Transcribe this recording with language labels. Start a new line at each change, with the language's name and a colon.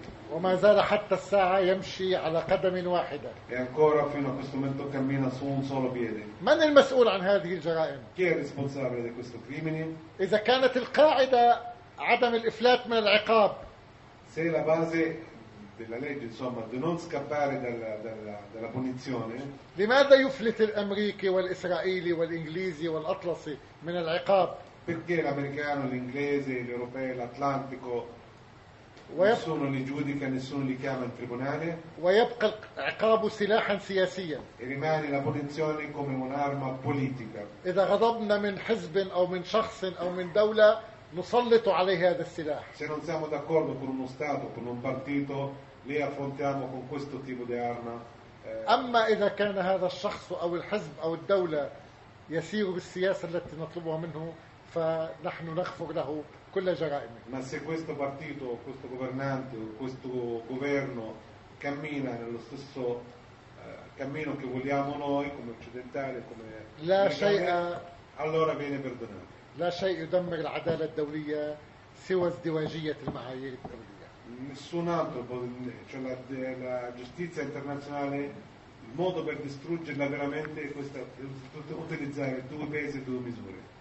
Arabic: وما زال حتى الساعة يمشي على قدم واحدة.
Italian: E ancora fino a questo momento cammina su un solo piede.
Arabic: من المسؤول عن هذه الجرائم؟
Italian: Chi è responsabile di questo crimine?
Arabic: إذا كانت القاعدة عدم الإفلات من العقاب.
Italian: Se la base della legge, insomma, di non scappare dalla punizione.
Arabic: لماذا يفلت الأمريكي والإسرائيلي والإنجليزي والأطلسي من العقاب؟
Italian: Perché l'americano, l'inglese, l'europeo, l'atlantico nessuno li giudica, nessuno li chiama in tribunale.
Arabic: ويبقى العقاب سلاحا سياسيا.
Italian: E rimane la punizione come un'arma politica.
Arabic: إذا غضبنا من حزب أو من شخص أو من دولة نسلط عليه هذا السلاح.
Italian: Se non siamo d'accordo con uno stato, con un partito, li affrontiamo con questo tipo di arma.
Arabic: أما إذا كان هذا الشخص أو الحزب أو الدولة يسير بالسياسة التي نطلبها منه فنحن نغفر له كل جرائمه.
Italian: Ma se questo partito, questo governante, questo governo cammina nello stesso cammino che vogliamo noi come occidentali, come
Arabic: لا شيء
Italian: allora viene perdonato.
Arabic: لا شيء يدمر العدالة الدولية سوى ازدواجية المعايير الدولية.
Italian: Nessun altro può, cioè la giustizia internazionale, il modo per distruggerla veramente è questa, utilizzare due pesi e due misure.